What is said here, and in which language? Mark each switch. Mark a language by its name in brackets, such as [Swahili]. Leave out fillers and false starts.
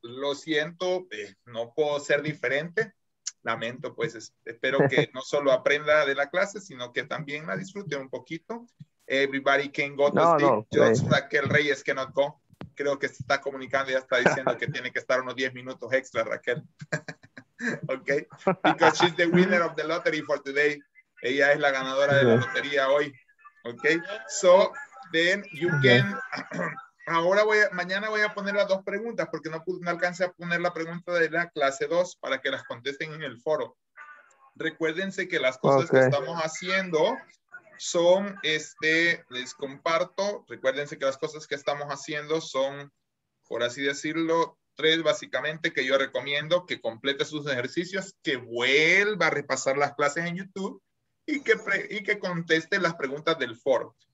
[Spanish] Lo siento, no puedo ser diferente. Lamento, pues espero que no solo aprenda de la clase, sino que también la disfrute un poquito. [English] Everybody can go to sleep. Just Raquel Reyes cannot go. [Spanish] Creo que se está comunicando y ya está diciendo que tiene que estar unos 10 minutos extra, Raquel. Ok. [English] Because she's the winner of the lottery for today. [Spanish] Ella es la ganadora de la lotería hoy. Ok. [English] So then you can. [Spanish] Ahora voy a, mañana voy a poner las dos preguntas porque no alcancé a poner la pregunta de la clase 2 para que las contesten en el foro. Recuérdense que las cosas okay. Que estamos haciendo son, les comparto, recuérdense que las cosas que estamos haciendo son, por así decirlo, tres básicamente que yo recomiendo que complete sus ejercicios, que vuelva a repasar las clases en YouTube y que conteste las preguntas del foro.